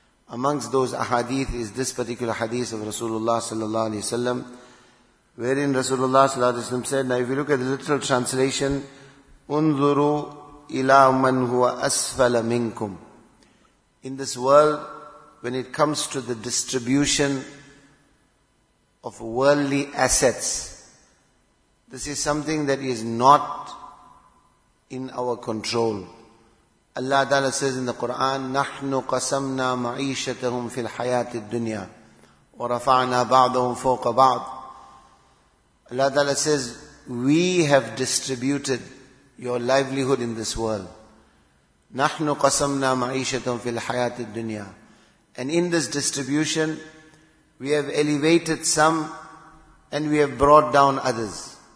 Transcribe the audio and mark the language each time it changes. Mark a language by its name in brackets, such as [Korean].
[English] Amongst those ahadith is this particular hadith of Rasulullah sallallahu alayhi wa sallam, wherein Rasulullah sallallahu alayhi wa sallam said, now if you look at the literal translation, [Arabic] unzuru ila man huwa asfala minkum. [English] In this world, when it comes to the distribution of worldly assets, this is something that is not in our control. Allah Ta'ala says in the Quran, [Arabic] نَحْنُ قَسَمْنَا مَعِيشَتَهُمْ فِي الْحَيَاةِ الدُّنْيَا وَرَفَعْنَا بَعْضَهُمْ فَوْقَ بَعْضٍ. [English] Allah Ta'ala says, we have distributed your livelihood in this world. [Arabic] نَحْنُ قَسَمْنَا مَعِيشَتَهُمْ فِي الْحَيَاةِ الدُّنْيَا. [English] And in this distribution, we have elevated some and we have brought down others.